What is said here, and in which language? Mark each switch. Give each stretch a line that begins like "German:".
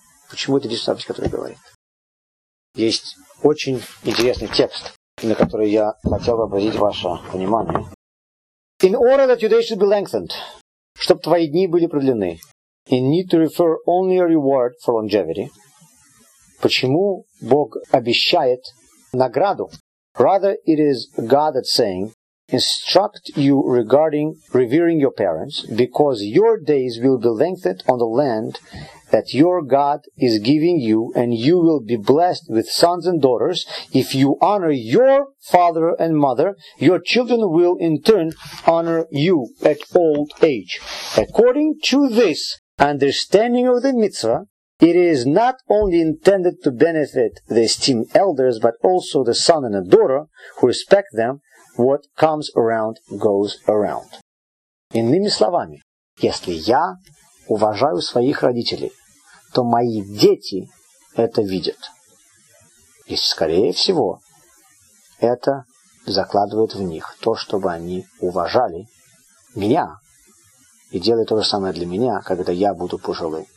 Russian: Почему это единственная заповедь, которая говорит? Есть очень интересный текст, на который я хотел бы обратить ваше внимание.
English: In order that your days should be lengthened,
Russian: чтоб твои дни были продлены,
English: you need to refer only a reward for longevity,
Russian: Почему Бог обещает награду?
English: Rather, it is God that's saying, instruct you regarding revering your parents, because your days will be lengthened on the land that your God is giving you, and you will be blessed with sons and daughters. If you honor your father and mother, your children will in turn honor you at old age. According to this understanding of the mitzvah, it is not only intended to benefit the esteemed elders, but also the son and the daughter who respect them. What comes around goes around.
Russian: Иными словами, если я уважаю своих родителей, то мои дети это видят. И, скорее всего, это закладывает в них то, чтобы они уважали меня и делали то же самое для меня, когда я буду пожилым.